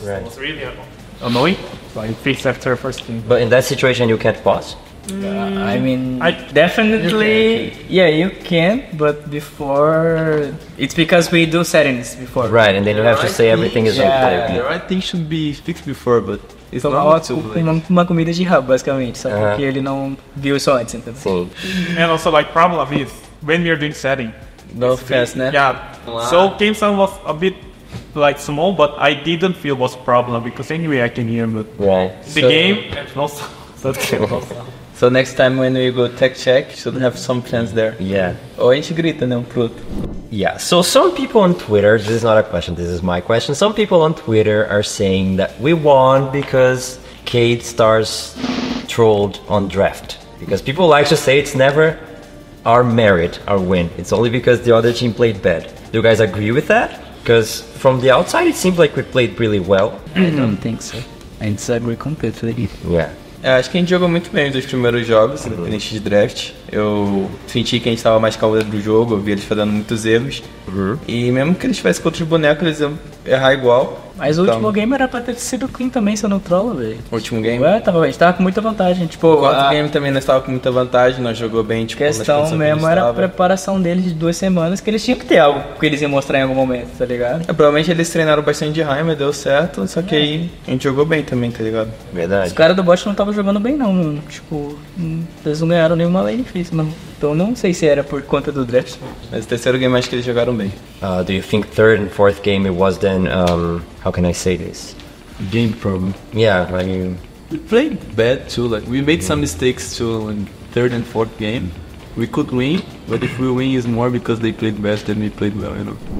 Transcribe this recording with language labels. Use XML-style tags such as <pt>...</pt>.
<en>So it was really annoying. So I fixed after first game. But in that situation, you can't pause. You can, but before it's because we do settings before, right? And then you have to say everything is okay. The right thing should be fixed before, but it's not possible.</en> <pt>Uma comida de rabo, basicamente, só que ele não viu isso antes, então.</pt> <en>And also, like, problem is when we are doing setting, no fast, yeah. So game sound was a bit like small, but I didn't feel was problem because anyway I can hear, but the game no sound. So next time when we go tech check, should have some plans there. Yeah.</en> <pt>Ou a gente grita, né, um pluto.</pt> <en>Yeah, so some people on Twitter, this is not a question, this is my question. Some people on Twitter are saying that we won because Kate stars trolled on draft. Because people like to say it's never our merit, our win. It's only because the other team played bad. Do you guys agree with that? Because from the outside, it seems like we played really well. I don't think so. I disagree completely. Yeah.</en> <pt>Eu acho que a gente jogou muito bem nos primeiros jogos, independente de draft. Eu senti que a gente estava mais calmo do jogo, eu vi eles fazendo muitos erros. E mesmo que eles tivessem contra os bonecos, eles iam errar igual. Mas então, o último game era pra ter sido clean também, se eu não trolo, velho. Último game? Ué, tava, a gente tava com muita vantagem. Tipo, o outro game também nós tava com muita vantagem, nós jogou bem, tipo, questão mesmo que a era a preparação deles de 2 semanas, que eles tinham que ter algo que eles iam mostrar em algum momento, tá ligado? É, provavelmente eles treinaram bastante de Heimer, deu certo, só que aí a gente jogou bem também, tá ligado? Verdade. Os caras do bot não tava jogando bem, não. Tipo, eles não ganharam nenhuma lane fixa, mano. Então não sei se era por conta do draft. Mas o terceiro game acho que eles jogaram bem.</pt> <en>Do you think third and fourth game it was then, how can I say this? Game problem. Yeah, like you... We played bad too, like we made some mistakes too in third and fourth game. We could win, but if we win it's more because they played best than we played well, you know.</en>